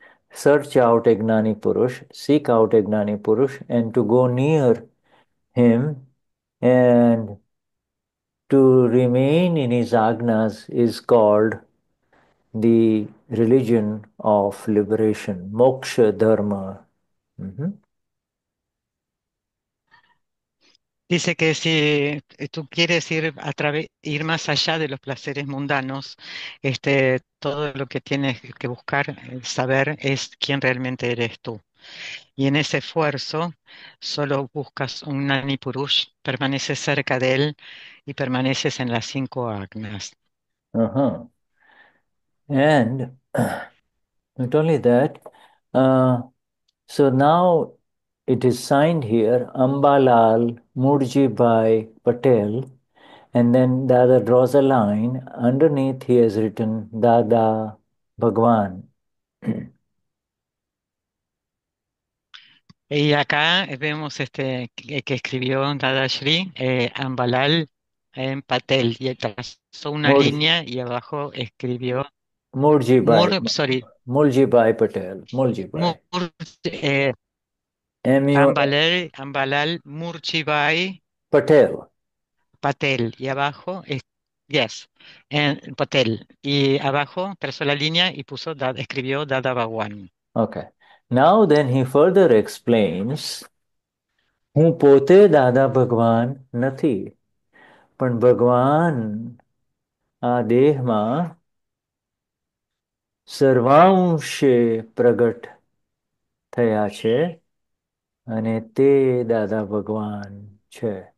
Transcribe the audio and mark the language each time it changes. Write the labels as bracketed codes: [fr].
[en] Search out a Gnani Purush, seek out a Gnani Purush, and to go near him and to remain in his agnas is called the religion of liberation, moksha dharma. [es] Dice que si tú quieres ir más allá de los placeres mundanos, todo lo que tienes que buscar, saber es quién realmente eres tú. Y en ese esfuerzo solo buscas un Gnani Purush, permaneces cerca de él y permaneces en las cinco agnas. [en] And not only that, so now it is signed here, Ambalal Murjibhai Patel, and then Dada draws a line. Underneath he has written Dada Bhagwan. [es] Y acá vemos que escribió Dadashri, Ambalal en Patel, y trazó una línea y abajo escribió sorry, [en] Murjibhai Patel, Murjibhai. M-U-A. Ambalal Murjibhai Patel. [es] Patel, y abajo Yes, en Patel. Y abajo trazó la línea y puso, escribió Dadavani. [en] Okay. Now then he further explains, [gu] હું પોતે દાદા ભગવાન નથી પણ ભગવાન આ દેહમાં સર્વાંશે પ્રગટ થયા છે અને તે દાદા ભગવાન છે.